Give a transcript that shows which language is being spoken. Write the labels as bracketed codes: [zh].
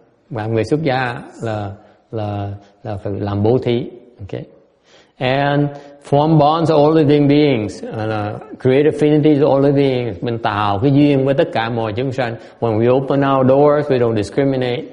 [vi] Và người xuất gia là phải làm bố thí. [en] Okay? And form bonds with all living beings, create affinities with all living beings. [vi] Mình tạo cái duyên với tất cả mọi chúng sanh. [en] When we open our doors, we don't discriminate.